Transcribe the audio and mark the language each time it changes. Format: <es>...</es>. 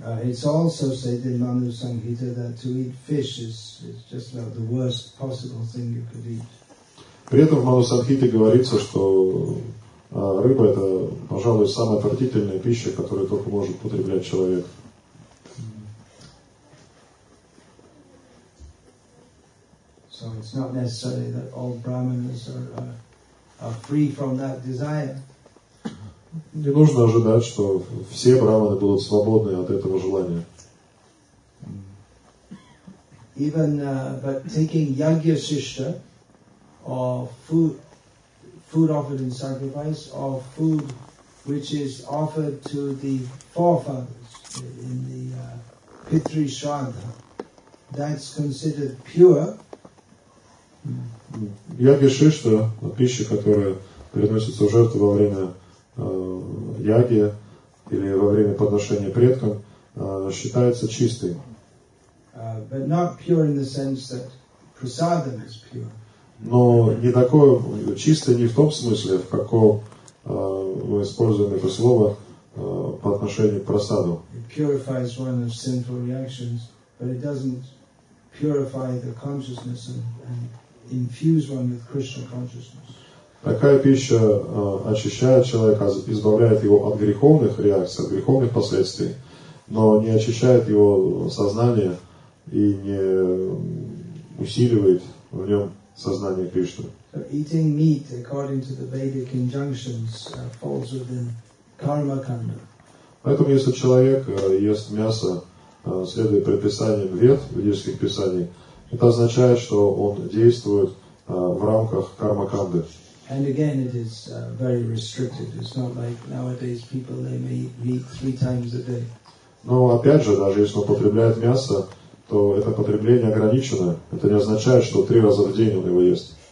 <en>It's also said in Manu Sanghita that to eat fish is just about the worst possible thing you could eat.</en> <ru>При этом в Манну Санхите говорится, что рыба это, пожалуй, самая отвратительная пища, которую только может употреблять человек.</ru> <en>So it's not necessary that all brahmanas are free from that desire.</en> <ru>Не нужно ожидать, что все брахманы будут свободны от этого желания.</ru> <en>Even but taking yagya shishta or food offered in sacrifice or food which is offered to the forefathers in the pitri shraddha, that's considered pure.</en> <ru>Яги-шишта, пища, которая переносится в жертву во время яги или во время подношения предкам, считается чистой.</ru> <en>But not pure in the sense that prasadam is pure.</en> <ru>Но не такое чистое не в том смысле, в каком мы используем это слово по отношению к прасаду.</ru> <en>It purifies one of sinful reactions, but it doesn't purify the consciousness and infuse one with Krishna consciousness.</en> <ru>Такая пища очищает человека, избавляет его от греховных реакций, от греховных последствий, но не очищает его сознание и не усиливает в нем сознание Кришны.</ru> <en>So eating meat, according to the Vedic injunctions, falls within karma kanda.</en> <ru>Поэтому если человек ест мясо, следуя предписаниям Вед, ведических писаний, это означает, что он действует в рамках кармаканды.</ru> <en>And again, it is very restricted. It's not like nowadays people they may eat meat 3 times a day.</en> <ru>Но опять же, даже если он потребляет мясо, то это потребление ограничено. Это не означает, что 3 раза в день он его ест.</ru>